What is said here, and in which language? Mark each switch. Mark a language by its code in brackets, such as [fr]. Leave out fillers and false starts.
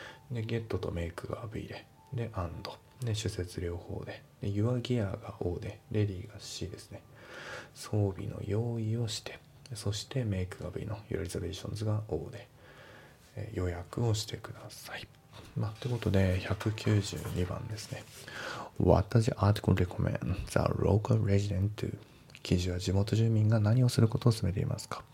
[ja] で、 [en] get [ja] と [en] make [ja] が V で、で、 [en] and。 [ja] で、主節両方で。で、 [en] your gear [ja] が O で、 [en] ready [ja] が C ですね。装備の用意をして、そして [en] make [ja] が V の、 [en] your reservations [ja] が O で、予約をしてください。まあ、ってことで、192番ですね。 [en] What does the article recommend the local resident to? [ja] 記事は地元住民が何をすることを勧めていますか。